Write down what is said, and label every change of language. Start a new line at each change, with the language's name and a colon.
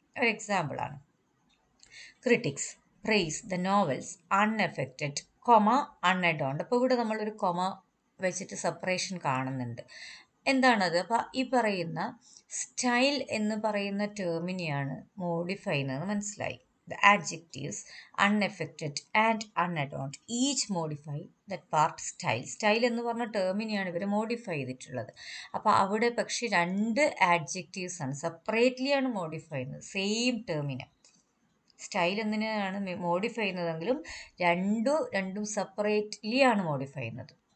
Malayalam: ഒരു എക്സാമ്പിളാണ്,
English: Critics praise the novels unaffected comma unadorned.
Malayalam: അപ്പോൾ ഇവിടെ നമ്മളൊരു കൊമ വെച്ചിട്ട് സെപ്പറേഷൻ കാണുന്നുണ്ട്. എന്താണത്? അപ്പോൾ ഈ പറയുന്ന സ്റ്റൈൽ എന്ന് പറയുന്ന ടേമിനെയാണ് മോഡിഫൈ ചെയ്യുന്നതെന്ന് മനസ്സിലായി.
English: The adjectives unaffected and unadorned each modify that part style.
Malayalam: Style എന്ന് പറഞ്ഞ ടേമിനെയാണ് ഇവർ മോഡിഫൈ ചെയ്തിട്ടുള്ളത്. അപ്പോൾ അവിടെ പക്ഷേ രണ്ട് ആഡ്ജക്റ്റീവ്സ് ആണ് സെപ്പറേറ്റ്ലിയാണ് മോഡിഫൈ ചെയ്യുന്നത് സെയിം ടേമിനെ. സ്റ്റൈൽ എന്നതിനെയാണ് മോഡിഫൈ ചെയ്യുന്നതെങ്കിലും രണ്ടും സെപ്പറേറ്റ്ലിയാണ് മോഡിഫൈ ചെയ്യുന്നത്.